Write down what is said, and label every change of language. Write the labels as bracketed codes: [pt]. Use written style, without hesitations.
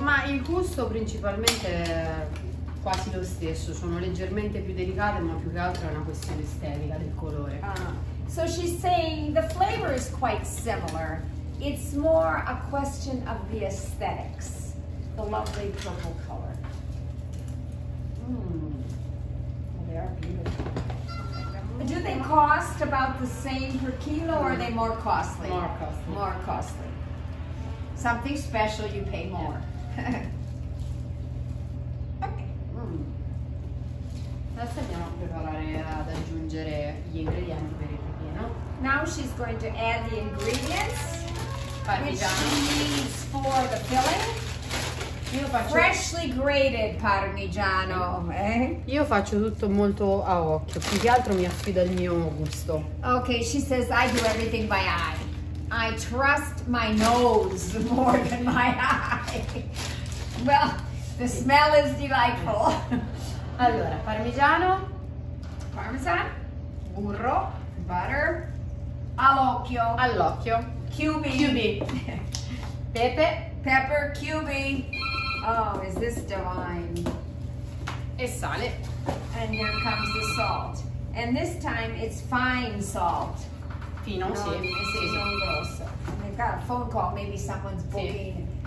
[it] Ma il gusto principalmente è quasi lo stesso, sono leggermente più delicate, ma più che altro è una questione estetica del colore. [en] So she's saying the flavor is quite similar, It's more a question of the aesthetics. The lovely purple color. Mmm. Well, they are beautiful. Do they cost about the same per kilo, or are they more costly? More costly. More costly. Something special, you pay more. Yeah. [it] Adesso andiamo a preparare ad aggiungere gli ingredienti per il ripieno. [en] Now she's going to add the ingredients. [it] Parmigiano. [en] Which she needs for the filling. [it] Io faccio [en] freshly grated parmigiano. Eh? [it] Io faccio tutto molto a occhio, più che altro mi affido al mio gusto. [en] Okay, she says I do everything by eye. I trust my nose more than my eye. Well, the smell is delightful. [it] Allora, parmigiano, parmesan, burro, butter, all'occhio, all'occhio, cubi, pepe, [en] pepper, cubi, oh, is this divine, [it] e sale, [en] and here comes the salt, and this time it's fine salt, [it] fino, no, sì, [en] this is [it] sì. Grosso. [en] And I've got a phone call, maybe someone's booking sì.